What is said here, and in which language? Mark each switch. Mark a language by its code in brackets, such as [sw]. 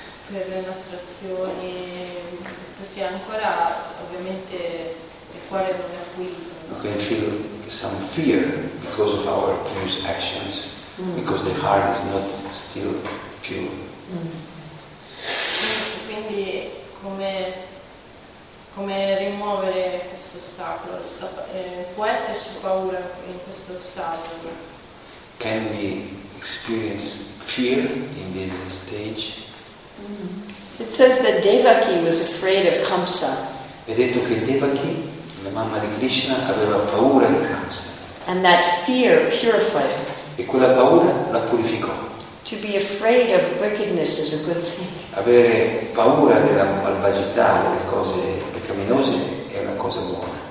[it] Per le nostre azioni, perché ancora ovviamente il cuore non è qui. [en] We can feel some fear because of our previous actions, because the heart is not still pure. [it] Quindi come rimuovere questo ostacolo? Può esserci paura in questo stato? [en] Can we experience fear in this stage? It says that Devaki was afraid of Kamsa. [it] È detto che Devaki, la mamma di Krishna, aveva paura di Kamsa. [en] And that fear purified her. [it] E quella paura la purificò. [en] To be afraid of wickedness is a good thing. [it] Avere paura della malvagità, delle cose pecaminose, è una cosa buona.